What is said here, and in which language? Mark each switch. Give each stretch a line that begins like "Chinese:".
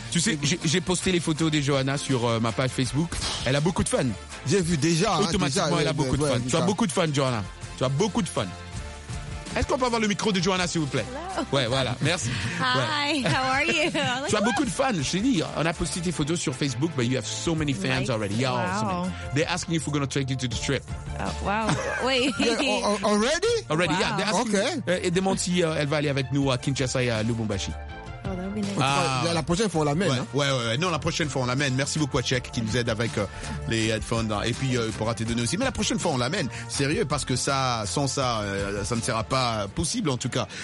French: Tu sais, j'ai posté les photos de Johanna sur ma page Facebook. Elle a beaucoup de fans. J'ai vu déjà. Automatiquement, déjà, elle a beaucoup de fans. Ouais, tu as beaucoup de fans, Johanna. Tu as beaucoup de fans. Est-ce qu'on peut avoir le micro de Johanna, s'il vous plaît?
English: Hello.
French: Ouais, voilà. Merci.
English: Hi,
French: ouais.
English: How are you?
French: Tu as beaucoup de fans, je t'ai dit. On a posté tes photos sur Facebook,
English: but you have so many fans already. Yeah, wow. So they're asking if we're going to take you to the trip. Wait. Yeah, already? Already, wow. Yeah. Okay.
French: Et demande si elle va aller avec nous à Kinshasa et à Lubumbashi.
English: Oh, that would be nice.
French: La prochaine fois, on l'amène. Ouais. Hein. Ouais. Non, la prochaine fois, on l'amène. Merci beaucoup à Check qui nous aide avec les headphones. Hein. Et puis, il pourra te donner aussi. Mais la prochaine fois, on l'amène. Sérieux, parce que ça, sans ça, ça ne sera pas possible, en tout cas.